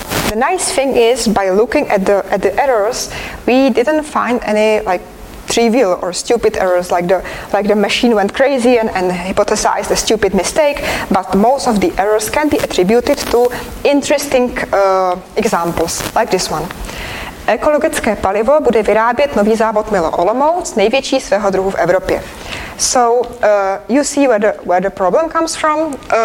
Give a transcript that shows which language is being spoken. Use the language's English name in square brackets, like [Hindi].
[English] The nice thing is, by looking at the errors, we didn't find any like trivial or stupid errors, like the machine went crazy and hypothesized a stupid mistake. But most of the errors can be attributed to interesting examples, like this one. [Czech] Ekologické palivo bude vyrábět nový závod Milo Olomouc, největší svého druhu v Evropě. [English] So you see where the problem comes from.